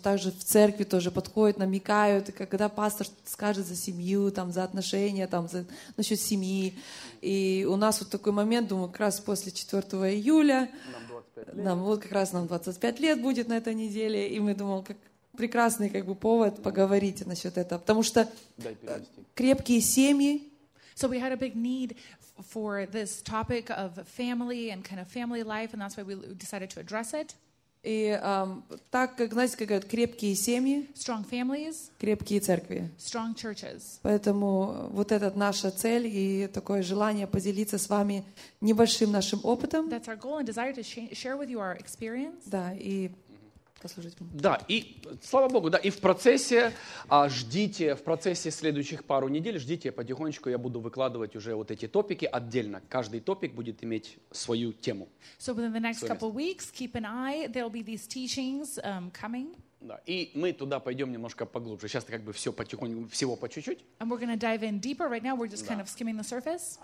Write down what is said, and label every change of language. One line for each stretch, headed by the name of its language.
Russian: Также в церкви тоже подходят, намекают, когда пастор скажет за семью, там, за отношения, там, насчет семьи. И у нас вот такой момент, думаю, как раз после 4 июля, нам 25 лет будет на этой неделе, и мы думаем, как прекрасный как бы повод поговорить насчет этого, потому что крепкие семьи.
English: So we had a big need for this topic of family and kind of family life, and that's why we decided to address it.
Russian: И так как, знаете, как говорят, крепкие семьи,
English: strong families,
Russian: крепкие церкви,
English: strong churches.
Russian: Поэтому вот это наша цель и такое желание поделиться с вами небольшим нашим опытом.
English: That's our goal and desire to share with you our experience.
Russian: Да, и послужить вам. Да, и слава Богу, да, и в процессе, ждите, в процессе следующих пару недель, ждите потихонечку, я буду выкладывать уже вот эти топики отдельно. Каждый топик будет иметь свою тему.
English: So within the next couple weeks, keep an eye, there'll be these teachings coming.
Russian: Да, и мы туда пойдем немножко поглубже. Сейчас как бы все потихоньку, всего по чуть-чуть.
English: And we're gonna dive in deeper right now. We're just kind of skimming the surface.